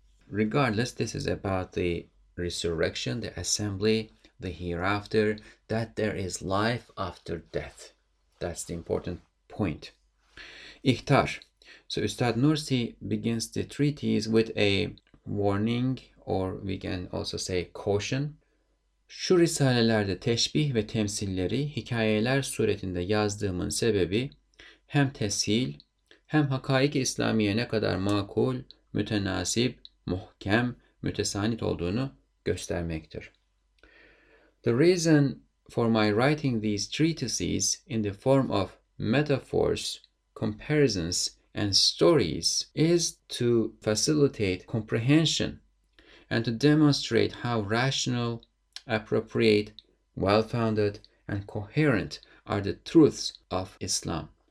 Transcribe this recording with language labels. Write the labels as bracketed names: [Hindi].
[English] Regardless, this is about the resurrection, the assembly, the hereafter, that there is life after death. That's the important point. Ihtar. So Ustad Nursi begins the treatise with a warning, or we can also say caution. [Turkish] Şu risalelerde teşbih ve temsilleri hikayeler suretinde yazdığımın sebebi hem teshil hem hakaik-i İslamiye ne kadar makul, mütenasip, muhkem, mütesanit olduğunu göstermektir. [English] The reason for my writing these treatises in the form of metaphors, comparisons, and stories is to facilitate comprehension and to demonstrate how rational, appropriate, well-founded, and coherent are the truths of Islam.